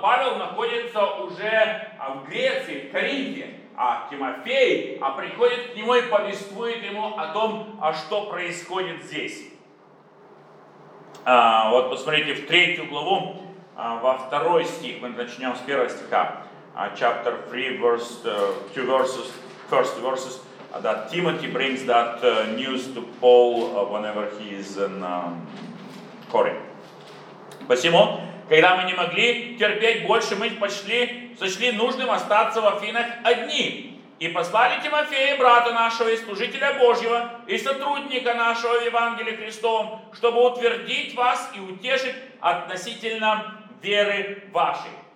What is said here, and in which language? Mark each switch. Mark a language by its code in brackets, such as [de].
[ru] Павел находится уже в Греции, в Коринфе. А Тимофей приходит к нему и повествует ему о том, что происходит здесь. Вот посмотрите, в третью главу, во второй стих, мы начнем с первого стиха. [en] Chapter 3, verse, 2 verses, first verses, that Timothy brings that news to Paul whenever he is in Corinth. [ru] Посему, когда мы не могли терпеть больше, мы сочли нужным остаться в Афинах одни. И послали Тимофея, брата нашего и служителя Божьего, и сотрудника нашего в Евангелии Христовом, чтобы утвердить вас и утешить относительно веры вашей.